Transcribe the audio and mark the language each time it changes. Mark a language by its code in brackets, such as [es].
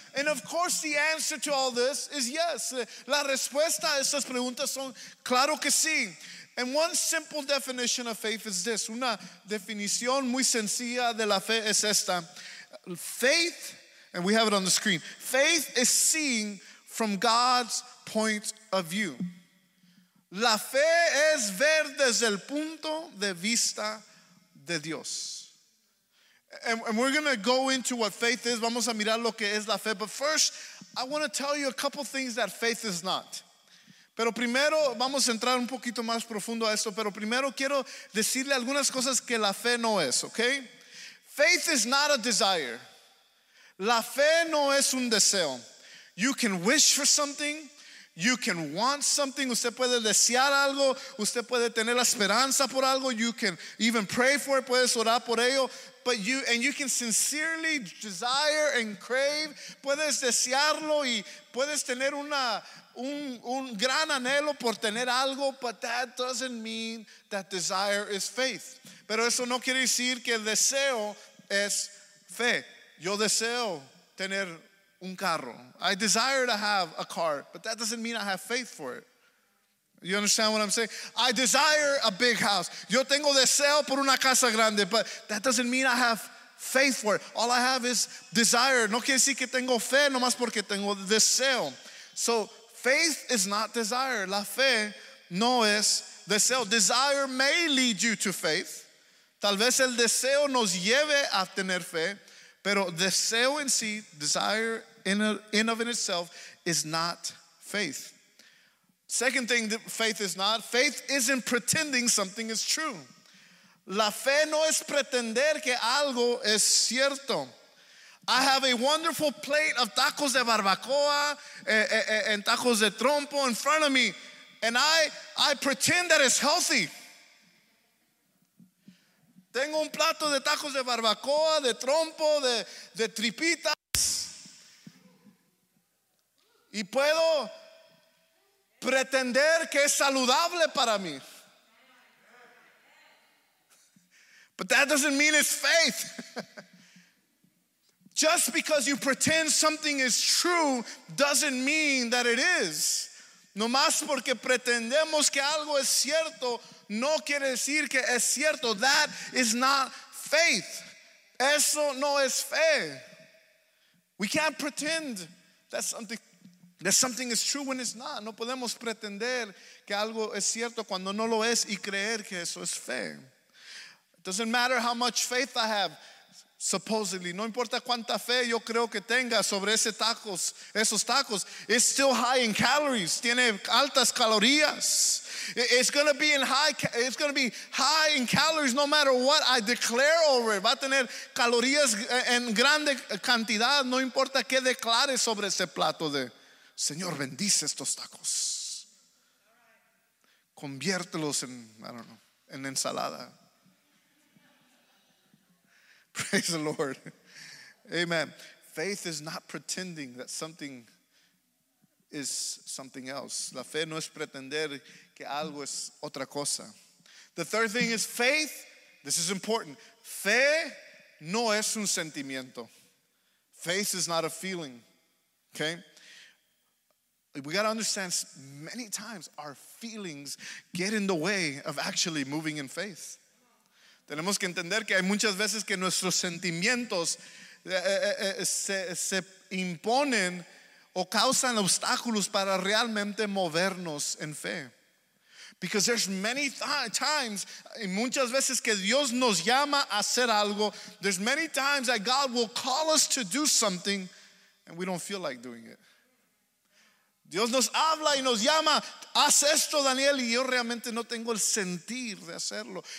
[en] And of course the answer to all this is yes. [es] La respuesta a esas preguntas son claro que sí. [en] And one simple definition of faith is this. [es] Una definición muy sencilla de la fe es esta. [en] Faith, and we have it on the screen. Faith is seeing from God's point of view. [es] La fe es ver desde el punto de vista de Dios. [en] And we're going to go into what faith is. [es] Vamos a mirar lo que es la fe. [en] But first, I want to tell you a couple things that faith is not. [es] Pero primero, vamos a entrar un poquito más profundo a esto. Pero primero, quiero decirle algunas cosas que la fe no es, okay? [en] Faith is not a desire. [es] La fe no es un deseo. [en] You can wish for something. You can want something. [es] Usted puede desear algo. Usted puede tener la esperanza por algo. [en] You can even pray for it. [es] Puedes orar por ello. [en] But you can sincerely desire and crave. [es] Puedes desearlo y puedes tener un gran anhelo por tener algo. [en] But that doesn't mean that desire is faith. [es] Pero eso no quiere decir que el deseo es fe. Yo deseo tener un carro. [en] I desire to have a car, but that doesn't mean I have faith for it. You understand what I'm saying? I desire a big house. [es] Yo tengo deseo por una casa grande, [en] but that doesn't mean I have faith for it. All I have is desire. [es] No quiere decir que tengo fe, nomás porque tengo deseo. [en] So faith is not desire. [es] La fe no es deseo. [en] Desire may lead you to faith. [es] Tal vez el deseo nos lleve a tener fe. Pero deseo en sí, [en] desire in of itself, [es] is not faith. [en] Second thing that faith is not, faith isn't pretending something is true. [es] La fe no es pretender que algo es cierto. [en] I have a wonderful plate of tacos de barbacoa and tacos de trompo in front of me, and I pretend that it's healthy. [es] Tengo un plato de tacos de barbacoa, de trompo, de tripitas. Y puedo pretender que es saludable para mí. [en] But that doesn't mean it's faith. Just because you pretend something is true doesn't mean that it is. [es] Nomás porque pretendemos que algo es cierto, no quiere decir que es cierto. [en] That is not faith. [es] Eso no es fe. [en] We can't pretend that something is true when it's not. [es] No podemos pretender que algo es cierto cuando no lo es y creer que eso es fe. [en] It doesn't matter how much faith I have, supposedly. [es] No importa cuánta fe yo creo que tenga sobre esos tacos. [en] It's still high in calories. [es] Tiene altas calorías. [en] It's going to be high in calories no matter what I declare over it. [es] Va a tener calorías en grande cantidad. No importa qué declare sobre ese plato de Señor, bendice estos tacos. Conviértelos en, [en] I don't know, [es] en ensalada. [en] Praise the Lord. Amen. Faith is not pretending that something is something else. [es] La fe no es pretender que algo es otra cosa. [en] The third thing is faith. This is important. [es] Fe no es un sentimiento. [en] Faith is not a feeling. Okay? We got to understand many times our feelings get in the way of actually moving in faith. [es] Tenemos que entender que hay muchas veces que nuestros sentimientos se imponen o causan obstáculos para realmente movernos en fe. [en] Because there's many times, [es] y muchas veces que Dios nos llama a hacer algo, [en] there's many times that God will call us to do something and we don't feel like doing it. [es] Dios nos habla y nos llama, haz esto, Daniel, y yo realmente no tengo el sentir de hacerlo.